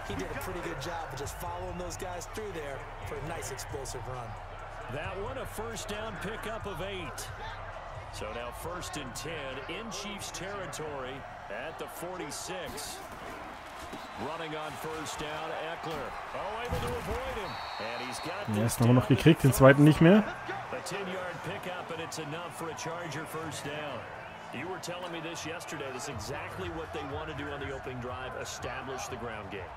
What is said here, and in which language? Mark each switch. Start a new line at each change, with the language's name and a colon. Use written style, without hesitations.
English: He did a pretty good job just following those guys through there for a nice explosive run. That one a first down pickup of 8. So now first and 10 in Chiefs territory at the 46. Running on first down, Eckler. Oh, able to avoid him. And he's got
German: den ersten haben wir noch gekriegt, den zweiten nicht mehr.
English: A 10-yard pickup and it's enough for a Charger first down. You were telling me this yesterday. This is exactly what they want to do on the opening drive, establish the ground game.